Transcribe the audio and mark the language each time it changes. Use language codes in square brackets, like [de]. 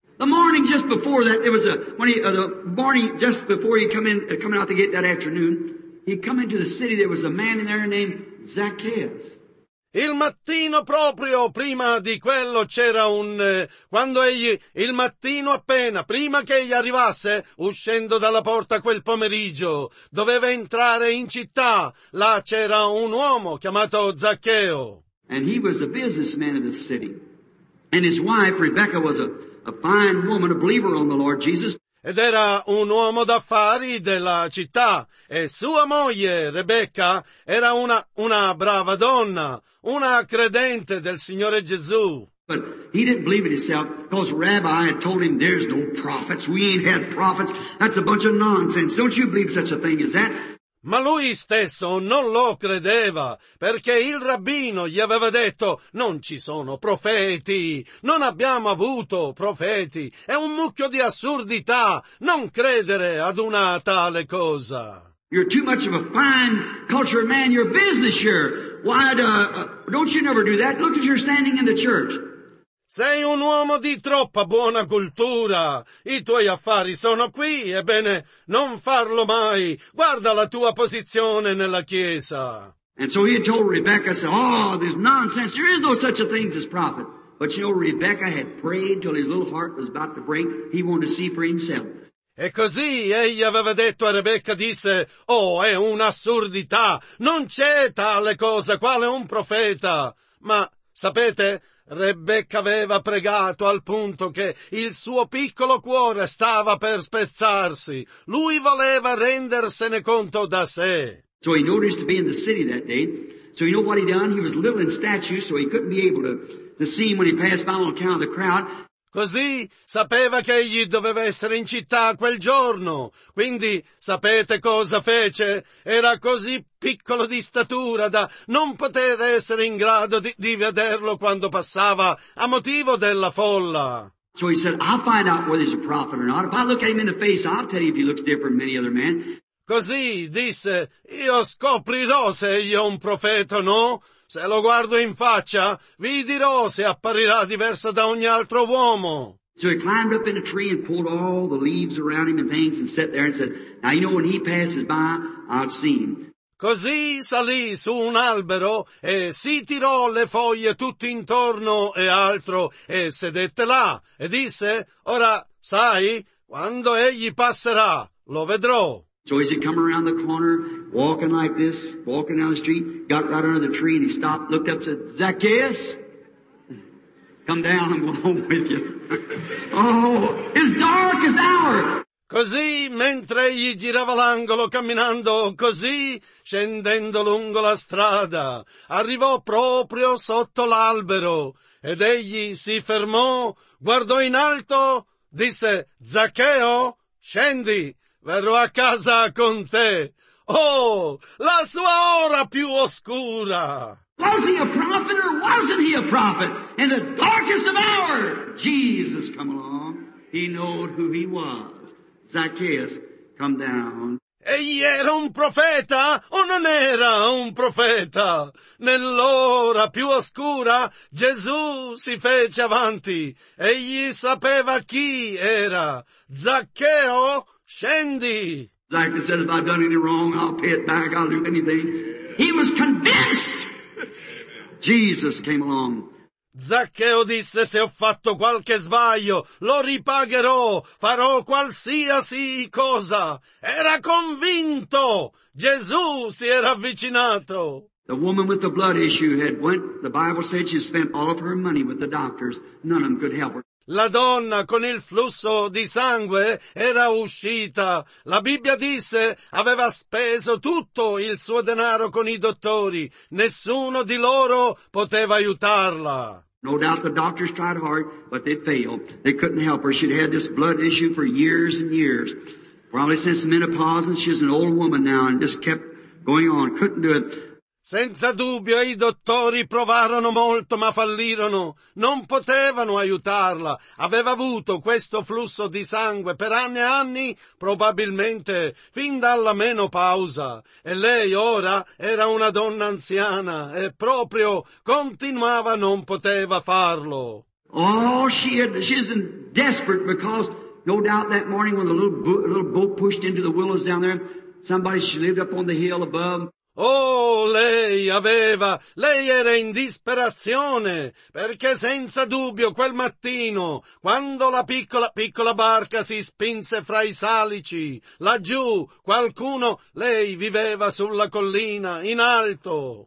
[en] The morning just before that, there was a, when he, the morning just before he coming out the gate that afternoon, he come into the city, there was a man in there named Zacchaeus. [it] Il mattino proprio prima di quello c'era un quando egli il mattino appena prima che egli arrivasse uscendo dalla porta quel pomeriggio doveva entrare in città. Là c'era un uomo chiamato Zaccheo. [en] And he was a businessman of the city, and his wife Rebecca was a fine woman, a believer on the Lord Jesus. [it] Ed era un uomo d'affari della città, e sua moglie, Rebecca, era una brava donna, una credente del Signore Gesù. [en] But he didn't believe it himself, because Rabbi had told him, there's no prophets, we ain't had prophets, that's a bunch of nonsense, don't you believe such a thing as that? [it] Ma lui stesso non lo credeva, perché il rabbino gli aveva detto, non ci sono profeti, non abbiamo avuto profeti, è un mucchio di assurdità, non credere ad una tale cosa. [en] You're too much of a fine culture man, you're a business here. Why, don't you never do that? Look at your standing in the church. [it] Sei un uomo di troppa buona cultura. I tuoi affari sono qui, ebbene, non farlo mai. Guarda la tua posizione nella chiesa. [en] And so he told Rebecca, said, oh, this nonsense, there is no such a thing as prophet. But you know, Rebecca had prayed till his little heart was about to break. He wanted to see for himself. [it] E così egli aveva detto a Rebecca, disse, oh, è un'assurdità. Non c'è tale cosa, quale un profeta. Ma, sapete, Rebecca aveva pregato al punto che il suo piccolo cuore stava per spezzarsi. Lui voleva rendersene conto da sé. [en] So he noticed to be in the city that day. So you know what he done? He was little in stature, so he couldn't be able to see him when he passed by on account of the crowd. [it] Così sapeva che egli doveva essere in città quel giorno. Quindi sapete cosa fece? Era così piccolo di statura da non poter essere in grado di vederlo quando passava a motivo della folla. [en] So he said, I'll find out whether he's a prophet or not. If I look at him in the face, I'll tell you if he looks different from any other man. [it] Così disse, io scoprirò se io un profeta o no. Se lo guardo in faccia, vi dirò se apparirà diverso da ogni altro uomo. [en] So he climbed up in a tree and pulled all the leaves around him and things and sat there and said, now you know when he passes by, I'll see him. [it] Così salì su un albero e si tirò le foglie tutti intorno e altro e sedette là e disse, ora sai, quando egli passerà, lo vedrò. [en] So he said, come around the corner, walking like this, walking down the street, got right under the tree and he stopped, looked up, said, Zacchaeus, come down, I'm going home with you. Oh, it's dark as hour. [it] Così, mentre egli girava l'angolo camminando così, scendendo lungo la strada, arrivò proprio sotto l'albero, ed egli si fermò, guardò in alto, disse, Zaccheo, scendi, verrò a casa con te. Oh, la sua ora più oscura! [en] Was he a prophet or wasn't he a prophet? In the darkest of hour, Jesus come along, he knowed who he was. Zacchaeus, come down. [it] Egli era un profeta o non era un profeta? Nell'ora più oscura Gesù si fece avanti. Egli sapeva chi era. Zaccheo, scendi. [en] Zaccheo said, if I've done any wrong, I'll pay it back, I'll do anything. He was convinced. Jesus came along. [it] Zaccheo disse, se ho fatto qualche sbaglio, lo ripagherò, farò qualsiasi cosa. Era convinto! Gesù si era avvicinato! [en] The woman with the blood issue had went, the Bible said she spent all of her money with the doctors, none of them could help her. [it] La donna con il flusso di sangue era uscita. La Bibbia disse aveva speso tutto il suo denaro con i dottori. Nessuno di loro poteva aiutarla. [en] No doubt the doctors tried hard, but they failed. They couldn't help her. She'd had this blood issue for years and years. Probably since menopause, and she's an old woman now, and just kept going on. Couldn't do it. [it] Senza dubbio i dottori provarono molto ma fallirono. Non potevano aiutarla. Aveva avuto questo flusso di sangue per anni e anni, probabilmente fin dalla menopausa. E lei ora era una donna anziana e proprio continuava, non poteva farlo. [en] Oh, she's in desperate because no doubt that morning when the little boat pushed into the willows down there, somebody she lived up on the hill above. [it] Oh, lei era in disperazione, perché senza dubbio quel mattino, quando la piccola barca si spinse fra i salici, laggiù, lei viveva sulla collina, in alto.